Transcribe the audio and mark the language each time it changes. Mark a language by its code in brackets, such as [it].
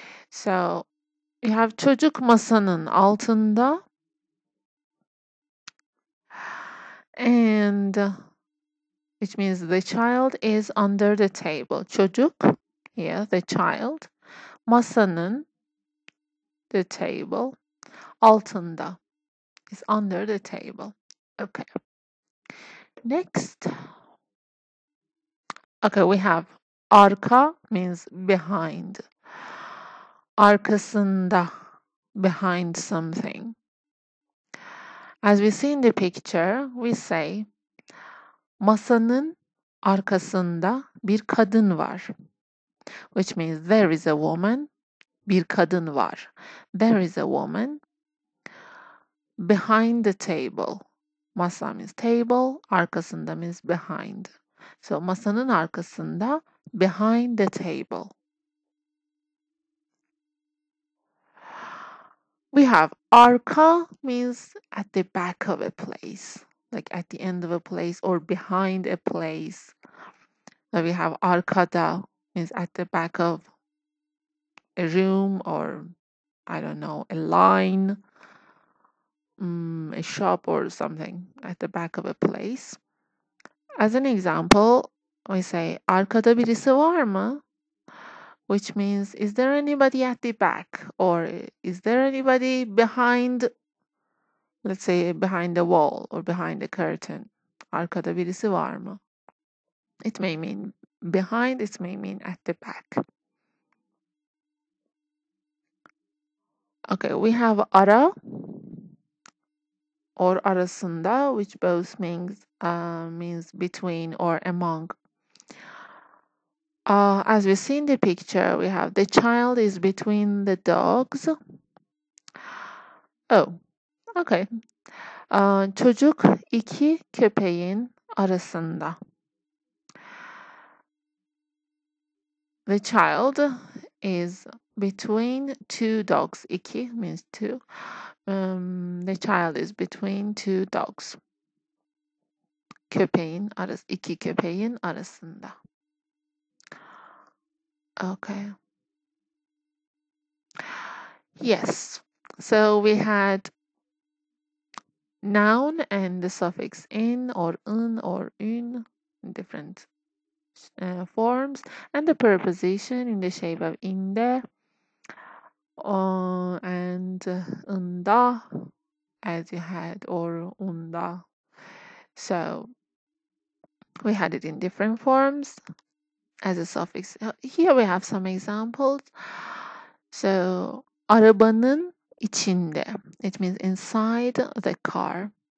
[en] So, you have [tr] çocuk masanın altında. [en] And which means the child is under the table. Çocuk, here, the child. Masanın, the table. Altında, is under the table. Okay. Next. Okay, we have arka means behind. Arkasında, behind something. As we see in the picture, we say [tr] masanın arkasında bir kadın var. [en] Which means there is a woman, [tr] bir kadın var. [en] There is a woman behind the table. Masa means table, arkasında means behind. So [tr] masanın arkasında, [en] behind the table. We have arka means at the back of a place. Like at the end of a place or behind a place. So we have arkada means at the back of a room or, I don't know, a line, a shop or something at the back of a place. As an example, We say, [tr] arkada birisi var mı? [en] Which means, is there anybody at the back? Or is there anybody behind, let's say, behind the wall or behind the curtain? [tr] Arkada birisi var mı? [en] It may mean behind, it may mean at the back. Okay, we have ara or arasında, which both means between or among. As we see in the picture, we have the child is between the dogs. Oh, okay. [tr] Çocuk iki köpeğin arasında. [en] The child is between two dogs. İki means two. The child is between two dogs. [tr] Köpeğin arası, iki köpeğin arasında. [en] Okay. Yes. So we had noun and the suffix in or un or ün in different forms, and the preposition in the shape of inde and unda, as you had, or unda. So we had it in different forms as a suffix. Here we have some examples. So [tr] arabanın içinde, [en] it means inside the car.